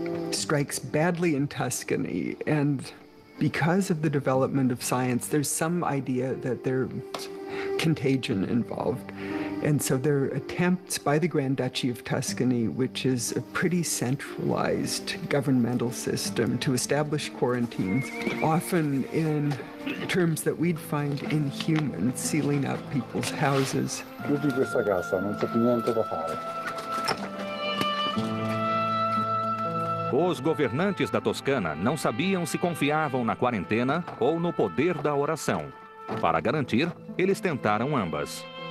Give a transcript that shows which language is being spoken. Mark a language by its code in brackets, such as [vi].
[en] Strikes badly in Tuscany, and because of the development of science, there's some idea that there's contagion involved. And so there are attempts by the Grand Duchy of Tuscany, which is a pretty centralized governmental system, to establish quarantines, often in terms that we'd find inhuman, sealing up people's houses. [it] Chiudi questa casa, non c'è più niente da fare. [pt] Os governantes da Toscana não sabiam se confiavam na quarentena ou no poder da oração. Para garantir, eles tentaram ambas.